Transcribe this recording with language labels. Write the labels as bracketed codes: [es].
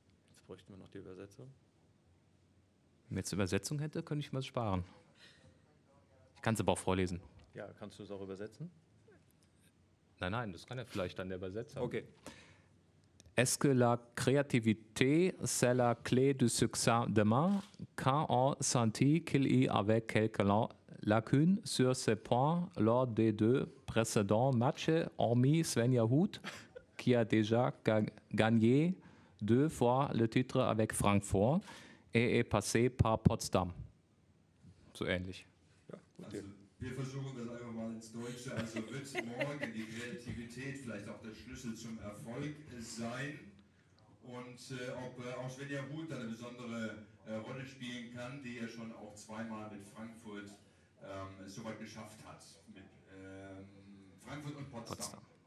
[de] Jetzt bräuchten wir noch die Übersetzung. Wenn ich jetzt Übersetzung hätte, könnte ich mir das sparen. Ich kann es aber auch vorlesen. Ja, kannst du es auch übersetzen? Nein, das kann ja vielleicht dann der Übersetzer. Okay. [fr] Est-ce que la créativité, c'est la clé du succès demain? Quand on sentit qu'il y avait quelques lacunes sur ce point lors des deux précédents matchs, hormis Svenja Huth, qui a déjà gagné 2 fois le titre avec Francfort et est passé par Potsdam. [de] So ähnlich. Ja, gut. Wir versuchen das einfach mal ins Deutsche. Also wird morgen die Kreativität vielleicht auch der Schlüssel zum Erfolg sein? Und auch Svenja Huth eine besondere Rolle spielen kann, die er schon auch zweimal mit Frankfurt so weit geschafft hat. Mit Frankfurt und Potsdam.